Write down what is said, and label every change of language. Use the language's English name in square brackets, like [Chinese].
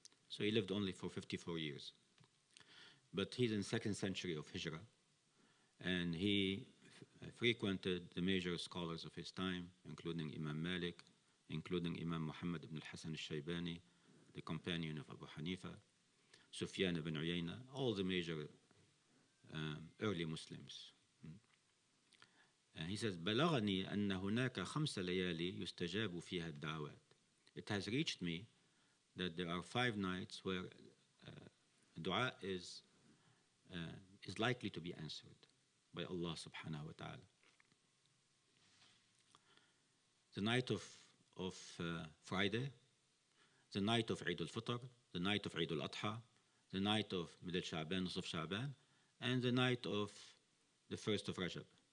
[English] So he lived only for 54 years. But he's in the second century of Hijrah, and he frequented the major scholars of his time, including Imam Malik, including Imam Muhammad ibn al-Hasan al-Shaybani, the companion of Abu Hanifa, Sufyan ibn Uyayna, all the major early Muslims. He says, [Arabic] بلغني أن هناك خمس ليالي يستجاب فيها الدعوات. [English] It has reached me that there are five nights where dua is likely to be answered by Allah subhanahu wa ta'ala. The night of Friday, the night of Eid al-Fitr, the night of Eid al-Adha, the night of Middle Sha'ban, Nusuf Sha'ban, and the night of the first of Rajab.